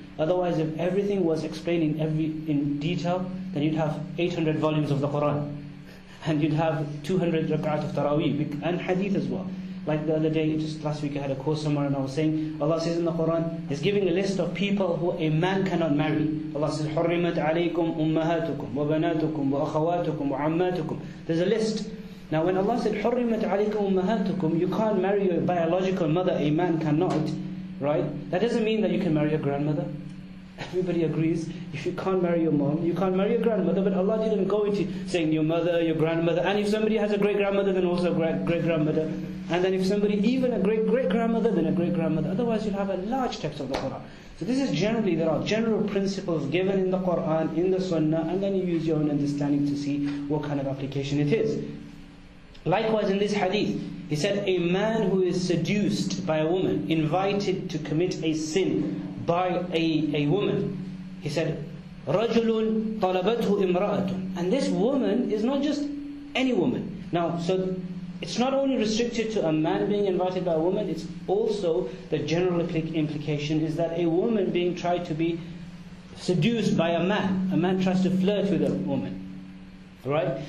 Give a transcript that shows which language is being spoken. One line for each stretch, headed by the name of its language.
English: Otherwise, if everything was explained in detail, then you'd have 800 volumes of the Quran. And you'd have 200 rak'at of Taraweeh and hadith as well. Like the other day, just last week I had a course somewhere and I was saying, Allah says in the Quran, He's giving a list of people who a man cannot marry. Allah says,
Arabic: حُرِّمَتْ عَلَيْكُمْ أُمَّهَاتُكُمْ وَبَنَاتُكُمْ وَأَخَوَاتُكُمْ وَعَمَّاتُكُمْ.
English: There's a list. Now when Allah said,
Arabic: حُرِّمَتْ عَلَيْكُمْ أُمَّهَاتُكُمْ,
English: you can't marry your biological mother, a man cannot, right? That doesn't mean that you can marry your grandmother. Everybody agrees, if you can't marry your mom, you can't marry your grandmother. But Allah didn't go into saying your mother, your grandmother, and if somebody has a great-grandmother, then also a great-grandmother. And then if somebody, even a great-great-grandmother, then a great-grandmother. Otherwise you'll have a large text of the Quran. So this is generally, there are general principles given in the Quran, in the Sunnah, and then you use your own understanding to see what kind of application it is. Likewise in this hadith, He said, a man who is seduced by a woman, invited to commit a sin by a woman. He said,
Arabic: رَجُلٌ طَلَبَتْهُ إِمْرَأَةٌ.
English: And this woman is not just any woman. Now, so it's not only restricted to a man being invited by a woman, it's also the general implication is that a woman being tried to be seduced by a man tries to flirt with a woman. Right?